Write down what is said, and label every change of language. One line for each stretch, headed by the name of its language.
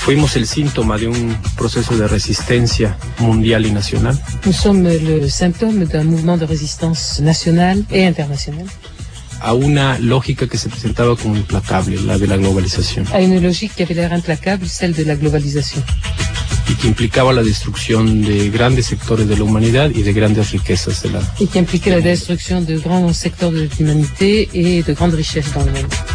Spanish: Fuimos el síntoma de un proceso de resistencia mundial y nacional.
French: Nous sommes le symptôme d'un mouvement de résistance nationale et internationale.
Spanish: A una lógica que se presentaba como implacable, la de la globalización.
French: A une logique qui avait l'air implacable, celle de la globalisation.
Spanish: Y que implicaba la destrucción de grandes sectores de la humanidad y de grandes riquezas de la. Y que
French: impliquait
Spanish: la destrucción
French: de grandes sectores de l'humanité et de grandes richesses dans le monde.